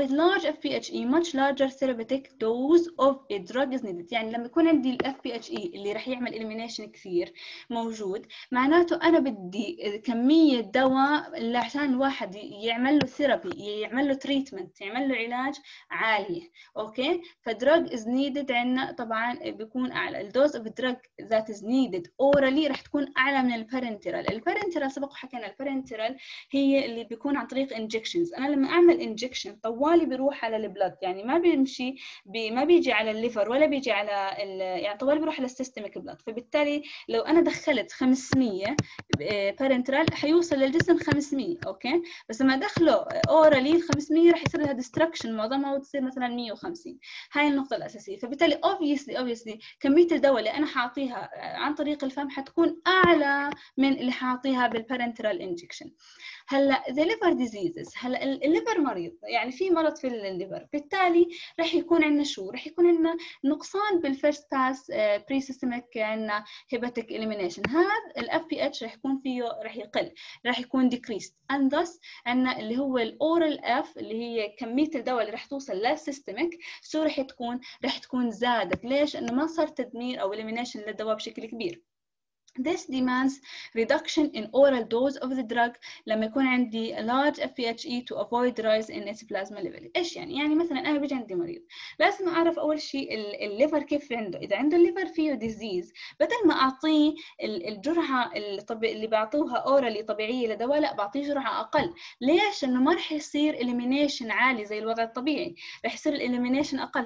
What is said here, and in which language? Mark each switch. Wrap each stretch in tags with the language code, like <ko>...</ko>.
<en>with large FPHE much larger therapeutic dose of a drug is needed.</en> <ar>يعني لما يكون عندي الـ FPHE اللي رح يعمل elimination كثير موجود، معناته أنا بدي كمية دواء لعشان واحد يعمل له therapy، يعمل له treatment، يعمل له علاج عالية. أوكي ف</ar> <en>drug is needed</en> <ar>عندنا طبعا بيكون أعلى.</ar> <en>الـ dose of drug that is needed orally</en> <ar>رح تكون أعلى من</ar> <en>الparenteral.</en> <ar>الparenteral سبق وحكينا الparenteral هي اللي بيكون عن طريق injection. أنا لما أعمل إنجكشن طوالي بروح على البلد، يعني ما بيمشي ما بيجي على الليفر ولا بيجي على يعني طوالي بروح على السيستميك بلد. فبالتالي لو أنا دخلت 500 بارنترال حيوصل للجسم 500، أوكي؟ بس لما أدخله أورالي 500 رح يصير لها ديستركشن معظمها وتصير مثلا 150. هاي النقطة الأساسية. فبالتالي obviously كمية الدواء اللي أنا حاعطيها عن طريق الفم حتكون أعلى من اللي حاعطيها بالبارنترال إنجكشن. هلأ</ar> <en>the liver diseases،</en> <ar>هلأ الليفر مريض، يعني في مرض في الليفر، بالتالي رح يكون عندنا شو؟ رح يكون عندنا نقصان بالفيرست باس بريسيستميك عندنا هيباتيك إليمينيشن. هذا الـ FPH رح يكون فيه رح يقل، رح يكون decreased،</ar> <en>and thus</en> <ar>عندنا اللي هو الـ oral F اللي هي كمية الدواء اللي رح توصل للسيستميك، شو رح تكون؟ رح تكون زادت. ليش؟ إنه ما صار تدمير أو إليمينيشن للدواء بشكل كبير.</ar> <en>This demands reduction in oral dose of the drug</en> <ar>لما يكون عندي</ar> <en>large FPHE to avoid rise in its plasma level.</en> <ar>إيش يعني؟ يعني مثلاً أنا بيجي عندي مريض، لازم أعرف أول شيء الليفر كيف عنده. إذا عنده الليفر فيه disease، بدل ما أعطيه الجرعة اللي بعطوها orally طبيعية لدواء، لا بعطيه جرعة أقل. ليش؟ إنه ما رح يصير elimination عالي زي الوضع الطبيعي، رح يصير elimination أقل.</ar>